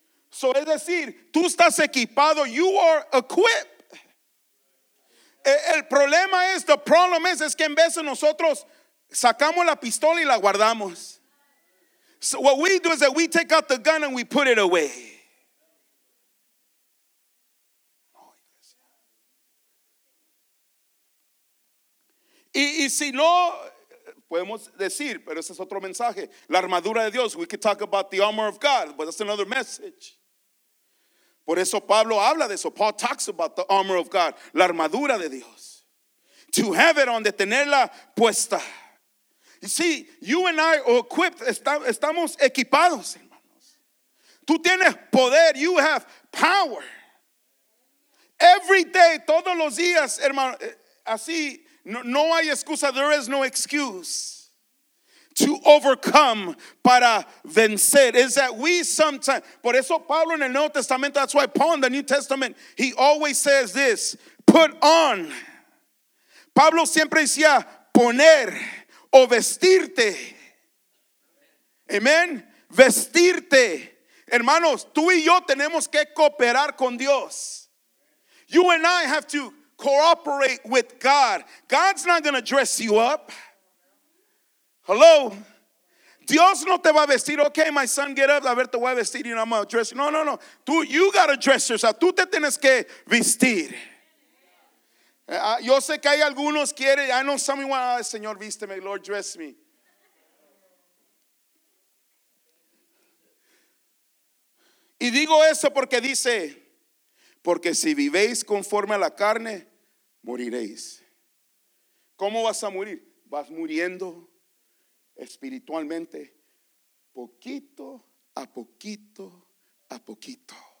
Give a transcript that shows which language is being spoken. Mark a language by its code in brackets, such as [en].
[es] So, es decir, tú estás equipado. [en] You are equipped. [es] El problema es, [en] the problem is [es] que en vez de nosotros sacamos la pistola y la guardamos. [en] So what we do is that we take out the gun and we put it away. [es] Y si no, podemos decir, pero ese es otro mensaje. La armadura de Dios. [en] We could talk about the armor of God, but that's another message. [es] Por eso Pablo habla de eso. [en] Paul talks about the armor of God. [es] La armadura de Dios. [en] To have it on, [es] de tenerla puesta. [en] You see, you and I are equipped. [es] Estamos equipados, hermanos. Tú tienes poder. [en] You have power. Every day, [es] todos los días, hermano. Así, no hay excusa. [en] There is no excuse. To overcome, [es] para vencer, [en] is that we sometimes, [es] por eso Pablo en el Nuevo Testamento, [en] that's why Paul in the New Testament, he always says this, put on. [es] Pablo siempre decía, poner o vestirte. Amen. Vestirte. Hermanos, tú y yo tenemos que cooperar con Dios. [en] You and I have to cooperate with God. God's not going to dress you up. [es] Hello, Dios no te va a vestir. [en] Okay, my son, get up. [es] A ver, te voy a vestir y no me voy a dress. No. Tú, [en] you got to dress yourself. [es] Tú te tienes que vestir. Yo sé que hay algunos quieren. [en] I know some of you want, [es] Señor, vísteme, [en] Lord, dress me. [es] Y digo eso porque dice, porque si vivéis conforme a la carne, moriréis. ¿Cómo vas a morir? Vas muriendo espiritualmente, poquito a poquito a poquito.